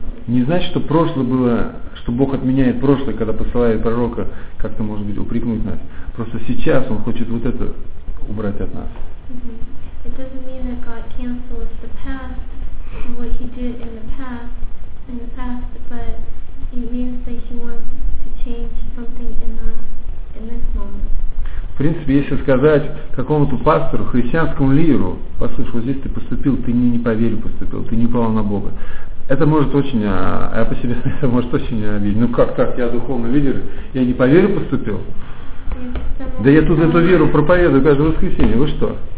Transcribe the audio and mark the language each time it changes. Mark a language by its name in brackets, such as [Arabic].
[Russian] не значит, что прошлое было, что Бог отменяет прошлое, когда посылает пророка как-то, может быть, упрекнуть нас. Просто сейчас Он хочет вот это убрать от нас. Mm-hmm. [English] It doesn't mean that God cancels the past. What he did in the past, but it means that he wants to change something in us in this moment. [Russian] В принципе, если сказать какому-то пастору, христианскому лидеру, послушай, вот здесь ты поступил, ты не поверил, поступил, ты не упал на Бога. Это может очень, это может очень обидеть. Ну как так, я духовный лидер, я не поверил, поступил? Да я тут эту веру проповедую каждое воскресенье, вы что?